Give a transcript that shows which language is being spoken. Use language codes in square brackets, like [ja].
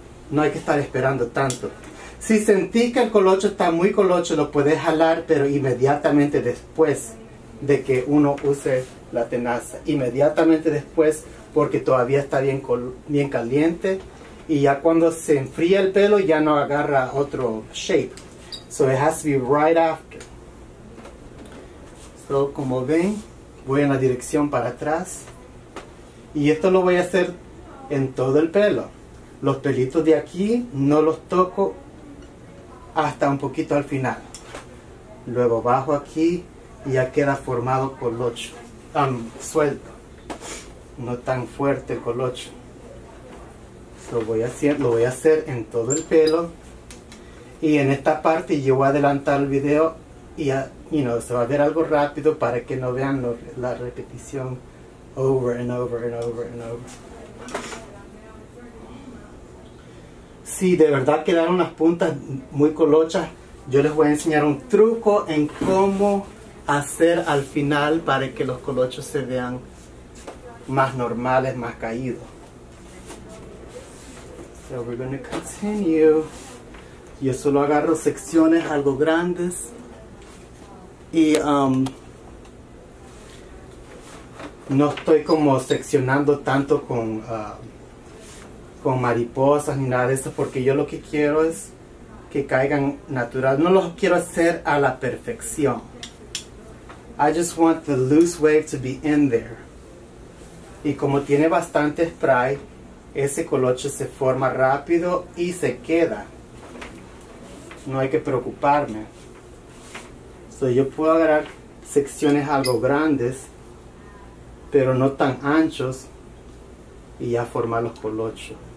[es] No hay que estar esperando tanto. Si sentís que el colocho está muy colocho, lo puedes jalar, pero inmediatamente después de que uno use la tenaza. Inmediatamente después, porque todavía está bien, bien caliente. Y ya cuando se enfría el pelo, ya no agarra otro shape. [en] So it has to be right after. [es] So como ven, voy en la dirección para atrás. Y esto lo voy a hacer en todo el pelo. Los pelitos de aquí no los toco hasta un poquito al final. Luego bajo aquí y ya queda formado colocho. Suelto. No tan fuerte el colocho. Lo voy a hacer en todo el pelo. Y en esta parte yo voy a adelantar el video y se va a ver algo rápido para que no vean la repetición. [en] Over and over and over and over. [es] Si de verdad quedaron unas puntas muy colochas, yo les voy a enseñar un truco en cómo hacer al final para que los colochos se vean más normales, más caídos. [en] So we're going to continue. [es] Yo solo agarro secciones algo grandes. Y no estoy como seccionando tanto con mariposas ni nada de eso, porque yo lo que quiero es que caigan natural. No los quiero hacer a la perfección. [en] I just want the loose wave to be in there. [es] Y como tiene bastante spray, ese colocho se forma rápido y se queda. No hay que preocuparme. So yo puedo agarrar secciones algo grandes, pero no tan anchos, y ya formar los colochos.